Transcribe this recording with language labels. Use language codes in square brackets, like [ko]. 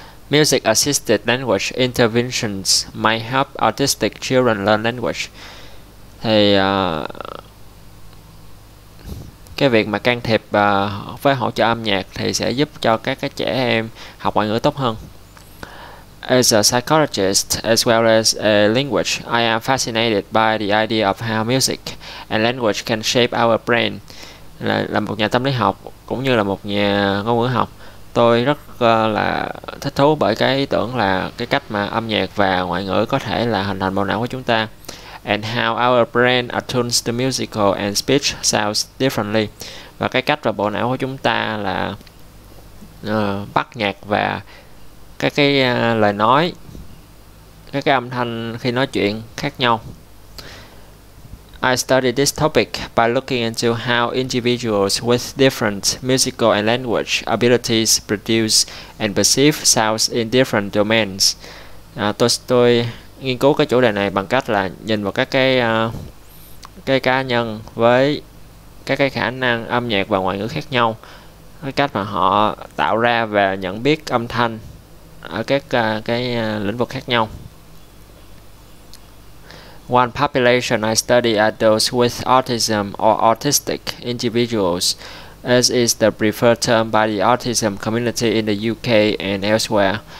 [en] Music assisted language interventions might help autistic children learn language. [vi] Thì cái việc mà can thiệp với hỗ trợ âm nhạc thì sẽ giúp cho các trẻ em học ngoại ngữ tốt hơn. [en] As a psychologist as well as a language, I am fascinated by the idea of how music and language can shape our brain. [vi] Là một nhà tâm lý học cũng như là một nhà ngôn ngữ học, tôi rất là thích thú bởi cái ý tưởng là cái cách mà âm nhạc và ngoại ngữ có thể là hình thành bộ não của chúng ta. [en] And how our brain attunes to musical and speech sounds differently. [vi] Và cái cách và bộ não của chúng ta là bắt nhạc và các cái lời nói, các cái âm thanh khi nói chuyện khác nhau. [en] I studied this topic by looking into how individuals with different musical and language abilities produce and perceive sounds in different domains. [vi] Tôi nghiên cứu cái chủ đề này bằng cách là nhìn vào các cái cá nhân với các cái khả năng âm nhạc và ngoại ngữ khác nhau, cái cách mà họ tạo ra và nhận biết âm thanh ở các lĩnh vực khác nhau. [en] One population I study are those with autism or autistic individuals, as is the preferred term by the autism community in the UK and elsewhere.